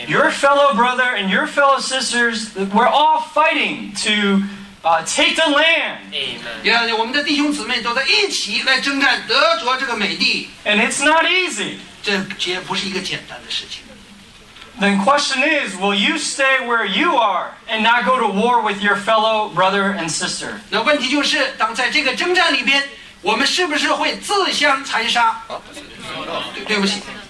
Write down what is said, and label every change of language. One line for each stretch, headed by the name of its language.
English: Your fellow brother and your fellow sisters, we're all fighting to take the land. Amen.
Chinese: Yeah, 我们的弟兄姊妹都在一起来征战，得着这个美地。
English: And it's not easy.
Chinese: 这绝不是一个简单的事情。
English: Then question is, will you stay where you are and not go to war with your fellow brother and sister?
Chinese: 那问题就是，当在这个征战里边，我们是不是会自相残杀？对不起。